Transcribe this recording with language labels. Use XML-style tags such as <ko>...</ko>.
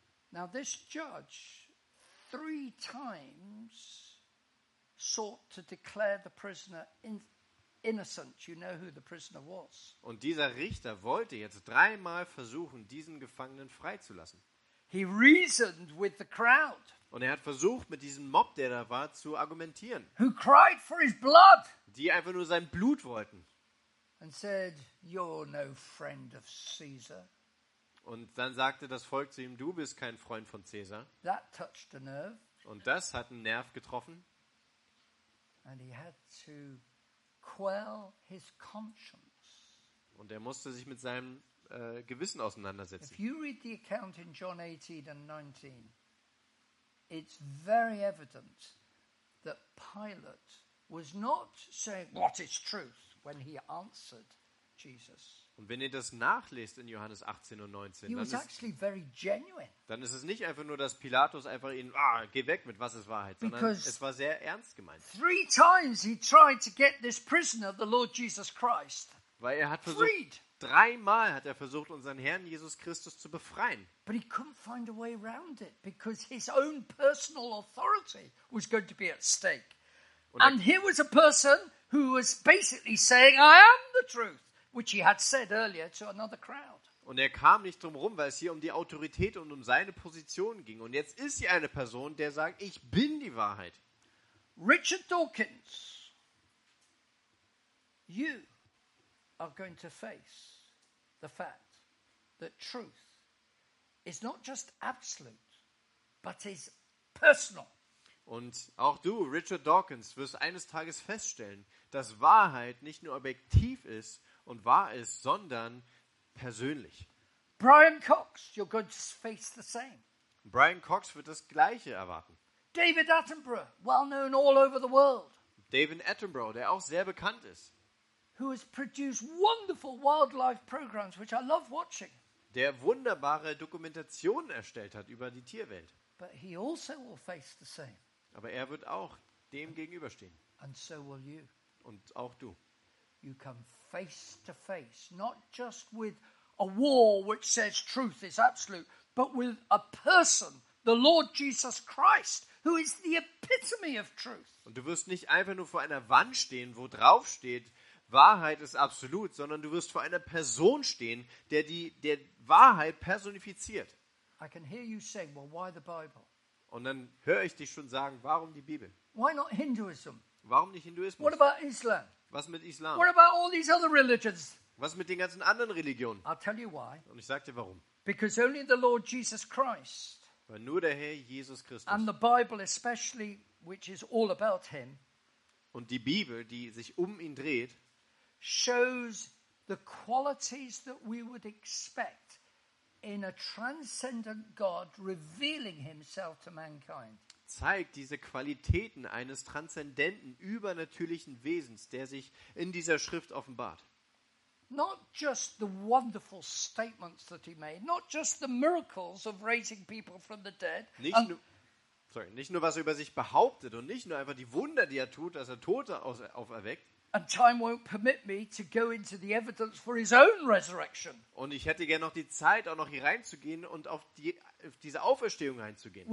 <en>Now this judge three times sought to declare the prisoner innocent. You know who the prisoner was.</en> <de>Und dieser Richter wollte jetzt dreimal versuchen, diesen Gefangenen freizulassen.</de> <en>He reasoned with the crowd.</en> <de>Und er hat versucht, mit diesem Mob, der da war, zu argumentieren.</de> <en>Who cried for his blood.</en> <de>Die einfach nur sein Blut wollten.</de> <en>And said, you're no friend of Caesar.</en> <de>Und dann sagte das Volk zu ihm, du bist kein Freund von Caesar.</de> <en>That touched a nerve.</en> <de>Und das hat einen Nerv getroffen.</de> <en>And he had to quell his conscience.</en> <de>Und er musste sich mit seinem Gewissen auseinandersetzen.</de> <en>If you read the account in John 18 and 19, it's very evident that Pilate was not saying, what is truth, when he answered Jesus.</en> <de>Und wenn ihr das nachlest in Johannes 18 und 19, dann ist es nicht einfach nur, dass Pilatus einfach ihn, geh weg mit, was ist Wahrheit, sondern</de> <en>Because</en> <de>es war sehr ernst gemeint.</de> <en>Three times he tried to get this prisoner, the Lord Jesus Christ,</en> <de>weil er hat versucht,</de> <en>freed.</en> <de>Dreimal hat er versucht, unseren Herrn Jesus Christus zu befreien.</de> <en>But he couldn't find a way around it, because his own personal authority was going to be at stake. And here was a person who was basically saying, I am the truth, which he had said earlier to another crowd.</en> <de>Und er kam nicht drum rum, weil es hier um die Autorität und um seine Position ging. Und jetzt ist hier eine Person, der sagt, ich bin die Wahrheit.</de> <en>Richard Dawkins, you are going to face the fact that truth is not just absolute, but is personal.</en> <de>Und auch du, Richard Dawkins, wirst eines Tages feststellen, dass Wahrheit nicht nur objektiv ist und wahr ist, sondern persönlich.</de> <en>Brian Cox, you're going to face the same.</en> <de>Brian Cox wird das Gleiche erwarten.</de> <en>David Attenborough, well known all over the world.</en> <de>David Attenborough, der auch sehr bekannt ist.</de> <en>Who has produced wonderful wildlife programs, which I love watching.</en> <de>Der wunderbare Dokumentationen erstellt hat über die Tierwelt.</de> <en>But he also will face the same.</en> <de>Aber er wird auch dem gegenüberstehen.</de> <en>And so will you.</en> <de>Und auch du.</de> <en>You come face to face, not just with a wall which says truth is absolute, but with a person, the Lord Jesus Christ, who is the epitome of truth.</en> <de>Und du wirst nicht einfach nur vor einer Wand stehen, wo drauf steht, Wahrheit ist absolut, sondern du wirst vor einer Person stehen, der Wahrheit personifiziert.</de> <en>I can hear you say, well, why the Bible?</en> <de>Und dann höre ich dich schon sagen, warum die Bibel?</de> <en>Why not Hinduism?</en> <de>Warum nicht Hinduismus?</de> <en>What about Islam?</en> <de>Was mit Islam?</de> <en>What about all these other religions?</en> <de>Was mit den ganzen anderen Religionen?</de> <en>I'll tell you why.</en> <de>Und ich sage dir warum.</de> <en>Because only the Lord Jesus Christ.</en> <de>Weil nur der Herr Jesus Christus.</de> <en>And the Bible especially, which is all about him.</en> <de>Und die Bibel, die sich um ihn dreht,</de> <en>shows the qualities that we would expect in a transcendent God revealing himself to mankind.</en> <de>Zeigt diese Qualitäten eines transzendenten, übernatürlichen Wesens, der sich in dieser Schrift offenbart.</de> <en>Not just the wonderful statements that he made, not just the miracles of raising people from the dead.</en> <de>Nicht nur was er über sich behauptet und nicht nur einfach die Wunder, die er tut, dass er Tote auferweckt.</de> <en>And time won't permit me to go into the evidence for his own resurrection.</en> <de>Und ich hätte gerne noch die Zeit, auch noch hier reinzugehen und auf diese Auferstehung einzugehen.</de>